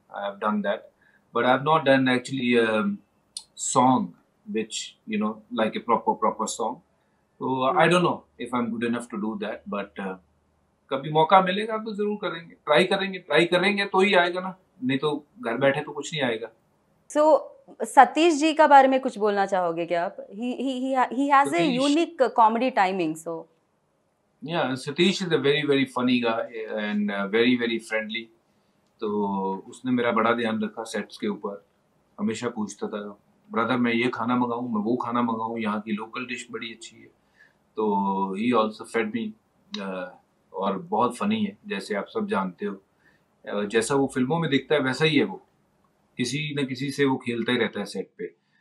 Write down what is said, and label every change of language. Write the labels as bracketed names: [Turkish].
[English] I have done that, but I have not done actually a song which you know like a proper song. तो I don't know if I am good enough to do that, [Hindi] but कभी मौका मिलेगा तो जरूर करेंगे, try करेंगे. Try करेंगे तो ही आएगा ना, नहीं तो घर बैठे तो कुछ नहीं आएगा. So, सतीश जी का बारे में कुछ बोलना चाहोगे क्या आप? [English] He has a unique comedy timing, so. Yeah, Satish is a very very funny guy and very very friendly. [Hindi] तो उसने मेरा बड़ा ध्यान रखा सेट्स के ऊपर. हमेशा पूछता था ब्रदर मैं ये खाना मंगाऊं, मैं वो खाना मंगाऊं, यहाँ की लोकल डिश बड़ी अच्छी है. तो [English] he also fed me [Hindi] और बहुत फनी है जैसे आप सब जानते हो. जैसा वो फिल्मों में दिखता है वैसा ही है वो. किसी न किसी से वो खेलता ही रहता है सेट पे.